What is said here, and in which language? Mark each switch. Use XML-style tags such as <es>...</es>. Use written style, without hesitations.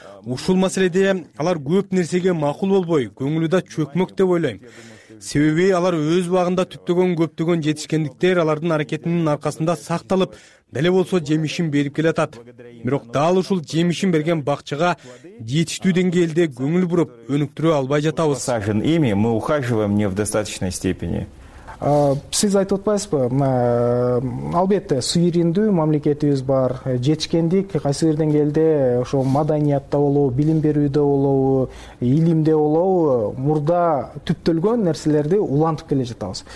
<ky>Ушул маселеде алар көп нерсеге макул болбой, көңүлү да чөкмөк деп ойлойм. Себеби алар өз багында түптөгөн көптөгөн жетишкендиктер алардын аракетинин аркасында сакталып, деле болсо жемишин берип келатат. Бирок дал ушул жемишин берген бакчага жетиштүү деңгээлде көңүл буруп өнүктүрө албай жатабыз.</ky> <ru>Ими мы ухаживаем не в достаточной степени.</ru> <ky>Сиз айтып атпайсызбы? Албетте, суверендүү мамлекетибиз бар. Жетишкендик кайсы бир деңгээлде, ошо маданиятта болобу, билим берүүдө болобу, илимде болобу, мурда түптөлгөн нерселерди улантып келе жатабыз.</ky>